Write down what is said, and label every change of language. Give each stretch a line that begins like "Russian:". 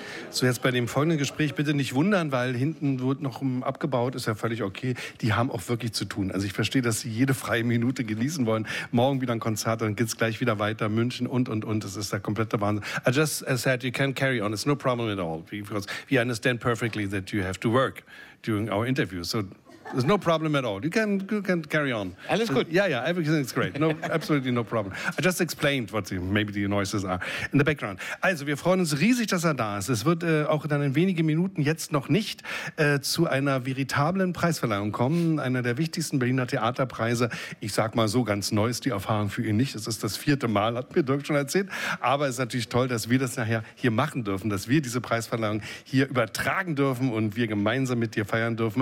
German: So, jetzt bei dem folgenden Gespräch bitte nicht wundern, weil hinten wird noch abgebaut, ist ja völlig okay. Die haben auch wirklich zu tun. Also ich verstehe, dass sie jede freie Minute genießen wollen. Morgen wieder ein Konzert, dann geht's gleich wieder weiter, München und. Das ist der komplette Wahnsinn.
English: I just said, you can carry on, it's no problem at all. Because we understand perfectly that you have to work during our interview. So there's no problem at all. You can carry on.
German: Alles gut.
English: Yeah, yeah, everything's great. No, absolutely no problem. I just explained what maybe the noises are in the background.
German: Also, wir freuen uns riesig, dass er da ist. Es wird auch dann in wenigen Minuten jetzt noch nicht zu einer veritablen Preisverleihung kommen. Einer der wichtigsten Berliner Theaterpreise. Ich sag mal so, ganz neu ist die Erfahrung für ihn nicht. Es ist das vierte Mal, hat mir Dirk schon erzählt. Aber es ist natürlich toll, dass wir das nachher hier machen dürfen, dass wir diese Preisverleihung hier übertragen dürfen und wir gemeinsam mit dir feiern dürfen.